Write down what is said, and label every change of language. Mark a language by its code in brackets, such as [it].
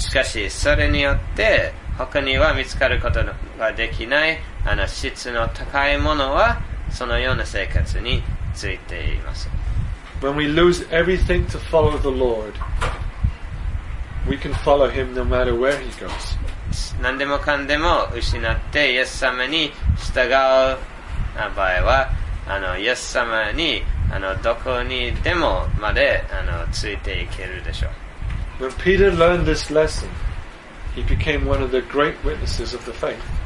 [ja] しかしそれによって他には見つかることができない質の高いものはそのような生活についています。 [en] When we lose everything to follow the Lord, we can follow him no matter where he goes. [ja] 何でもかんでも失ってイエス様に従う場合はイエス様にどこにでもまでついていけるでしょう。 [en] When Peter learned this lesson, he became one of the great witnesses of the faith.